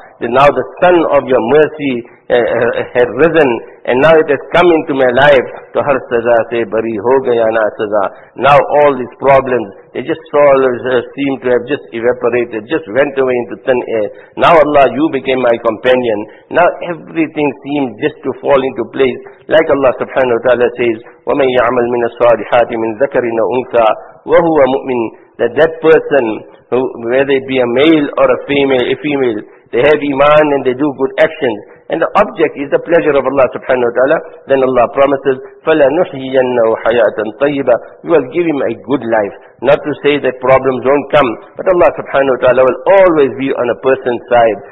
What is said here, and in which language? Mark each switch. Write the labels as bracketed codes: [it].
[en] Now the sun of your mercy had risen, and now it has come into my life. [ur] To har saza se bari ho gaya na saza. [en] Now all these problems, they just seem to have just evaporated, just went away into thin air. Now Allah, you became my companion. Now everything seems just to fall into place. Like Allah subhanahu wa ta'ala says, [ar] وَمَنْ يَعْمَلْ مِنَ الصَّالِحَاتِ مِنْ ذَكَرٍ وَأُنْثَى وَهُوَ مُؤْمِنٌ. [en] That person, whether it be a male or a female, they have iman and they do good actions, and the object is the pleasure of Allah subhanahu wa ta'ala, then Allah promises, [ar] فَلَنُحْيِيَنَّهُ حَيَاةً طَيِّبًا. [en] You will give him a good life. Not to say that problems don't come, but Allah subhanahu wa ta'ala will always be on a person's side.